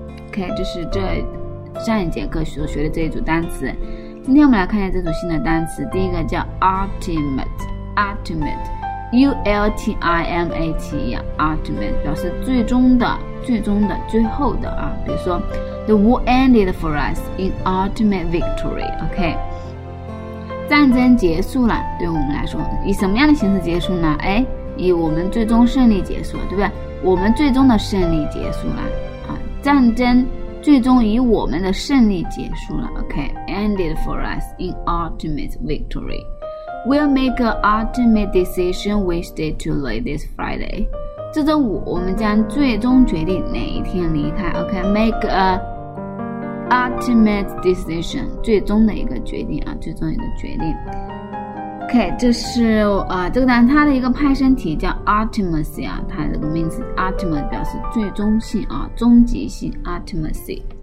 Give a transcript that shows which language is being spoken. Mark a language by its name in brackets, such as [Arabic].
[Chinese] OK， 这是这上一节课所学的这一组单词。今天我们来看一下这组新的单词。第一个叫 ultimate，ultimate，ultimate， 表示最终的、最终的、最后的啊，比如说。 [English] The war ended for us in ultimate victory. [Chinese] OK， 战争结束了，对我们来说，以什么样的形式结束呢？哎，以我们最终胜利结束，对不对？我们最终的胜利结束了啊，战争最终以我们的胜利结束了。 [English] OK， ended for us in ultimate victory. We'll make an ultimate decision Wednesday to leave this Friday. [Chinese] 这周五我们将最终决定哪一天离开。 OK， [English] make a ultimate decision， [Chinese] 最终的一个决定啊，最终一个决定。 OK， 这是这个单词它的一个派生体叫 ultimacy 啊，它这个名词 ultimate 表示最终性啊，终极性 ultimacy。